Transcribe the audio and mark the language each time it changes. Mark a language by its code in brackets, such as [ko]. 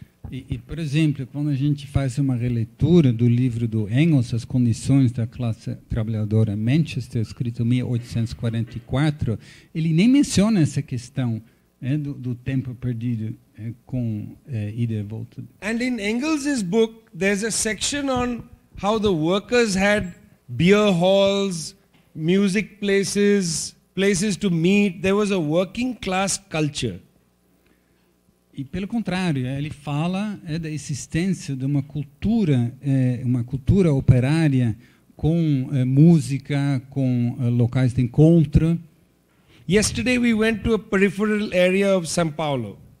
[pt] E, por exemplo, quando a gente faz uma releitura do livro do Engels, As Condições da Classe Trabalhadora em Manchester, escrito em 1844, ele nem menciona essa questão do tempo perdido com ida e volta. [en] And in Engels's book, there's a section on how the workers had beer halls, music places, places to meet. There was a working class culture. [pt] E, pelo contrário, ele fala da existência de uma cultura operária com música, com locais de encontro. [en] Yesterday we went to a peripheral area of São Paulo.